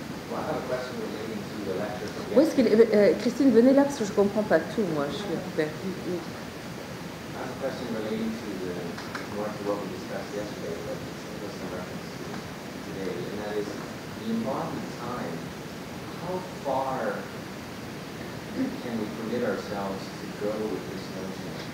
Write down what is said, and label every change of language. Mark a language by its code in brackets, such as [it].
[en] Well, I have a question relating to the lecture. [fr] Où est-ce que, Christine, venez là parce que je ne comprends pas tout, moi, je suis perdue. [en] I have a question relating to what we discussed yesterday, but it was in reference to today, and that is the embodied time. How far can we permit ourselves to go with this notion?